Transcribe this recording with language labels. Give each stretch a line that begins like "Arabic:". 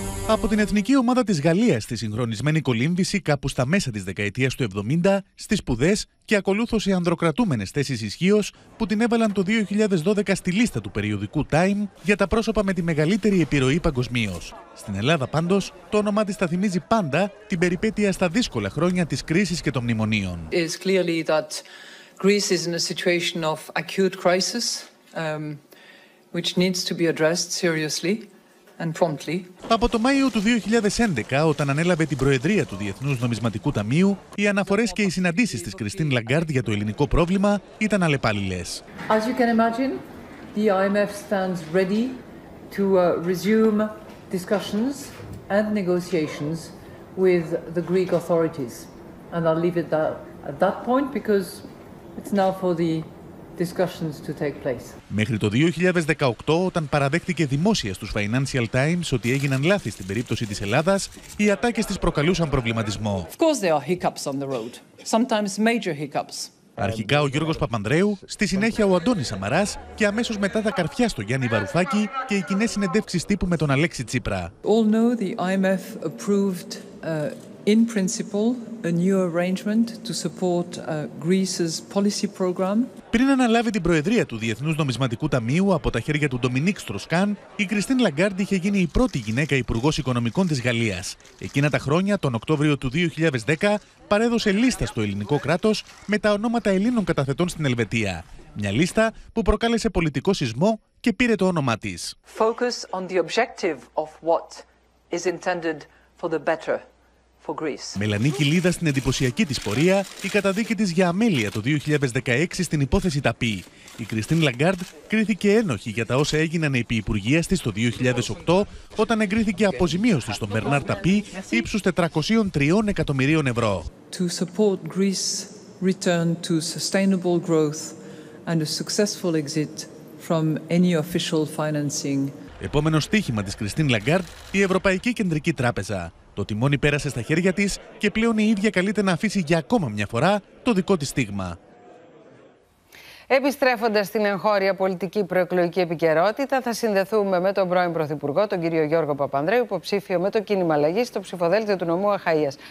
Greek: Από την εθνική ομάδα της Γαλλίας στη συγχρονισμένη κολύμβηση κάπου στα μέσα της δεκαετίας του 70, στις σπουδές και ακολούθως σε ανδροκρατούμενες θέσεις ισχύως που την έβαλαν το 2012 στη λίστα του περιοδικού Time για τα πρόσωπα με τη μεγαλύτερη επιρροή παγκοσμίως. Στην Ελλάδα πάντως, το όνομά της θα θυμίζει πάντα την περιπέτεια στα δύσκολα χρόνια της κρίσης και των μνημονίων.
English: It's clearly that Greece is in a situation of acute crisis, which needs to be addressed seriously.
Greek: Από το Μάιο του 2011, όταν ανέλαβε την Προεδρία του Διεθνούς Νομισματικού Ταμείου, οι αναφορές και οι συναντήσεις της Κριστίν Λαγκάρντ για το ελληνικό πρόβλημα ήταν αλλεπάλληλες.
English: As you can imagine, the IMF stands ready to resume discussions and negotiations with the Greek authorities. And I'll leave it there. at that point because it's now for the discussions to take place.
Greek: Μέχρι το 2018, όταν παραδέχτηκε δημόσια στους Financial Times ότι έγιναν λάθη στην περίπτωση της Ελλάδας, οι ατάκες της προκαλούσαν προβληματισμό.
English: Of course there are hiccups on the road, sometimes major hiccups.
Greek: Αρχικά ο Γιώργος Παπανδρέου, στη συνέχεια ο Αντώνης Σαμαράς και αμέσως μετά τα καρφιά στο Γιάννη Βαρουφάκη και οι κοινές συνεντεύξεις τύπου με τον Αλέξη Τσίπρα.
English: All know the IMF approved in principle a new arrangement to support Greece's policy program.
Greek: Πριν αναλάβει την Προεδρία του Διεθνούς Νομισματικού Ταμείου από τα χέρια του Ντομινίκ Στροσκάν, η Κριστίν Λαγκάρντ είχε γίνει η πρώτη γυναίκα Υπουργός Οικονομικών της Γαλλίας. Εκείνα τα χρόνια, τον Οκτώβριο του 2010, παρέδωσε λίστα στο ελληνικό κράτος με τα ονόματα Ελλήνων καταθετών στην Ελβετία. Μια λίστα που προκάλεσε πολιτικό σεισμό και πήρε το όνομά της.
English: Focus on the objective of what is intended for the better.
Greek: Μελανή κοιλίδα στην εντυπωσιακή της πορεία, η καταδίκη της για αμέλεια το 2016 στην υπόθεση Ταπί. Η Κριστίν Λαγκάρντ κρίθηκε ένοχη για τα όσα έγιναν επί υπουργίας της το 2008, όταν εγκρίθηκε αποζημίωση στον Μπερνάρ Ταπί ύψους 403 εκατομμυρίων ευρώ.
English: To support Greece's return to sustainable growth and a successful exit from any official financing.
Greek: Επόμενο στίχημα της Κριστίν Λαγκάρντ, η Ευρωπαϊκή Κεντρική Τράπεζα. Το τιμόνι πέρασε στα χέρια της και πλέον η ίδια καλείται να αφήσει για ακόμα μια φορά το δικό της στίγμα. Επιστρέφοντας στην εγχώρια πολιτική προεκλογική επικαιρότητα, θα συνδεθούμε με τον πρώην Πρωθυπουργό, τον κύριο Γιώργο Παπανδρέου, υποψήφιο με το κίνημα Αλλαγή στο ψηφοδέλτιο του νομού Αχαΐας.